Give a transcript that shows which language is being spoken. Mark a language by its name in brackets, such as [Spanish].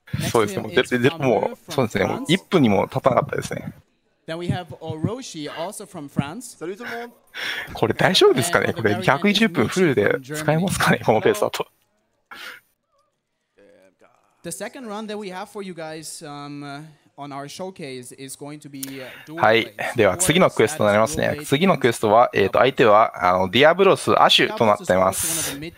[Japanese] そうですね、もうそうですね、もう1分にも経たなかったですね。 [English] Then we have Oroshi, also from France. [Japanese] これ大丈夫ですかね、これ120分フルで使えますかね、このペースだと。 [English] The second run that we have for you guys, on our showcase is going to be [Japanese] はい、では次のクエストになりますね。次のクエストは、相手はディアブロスアシュとなっています。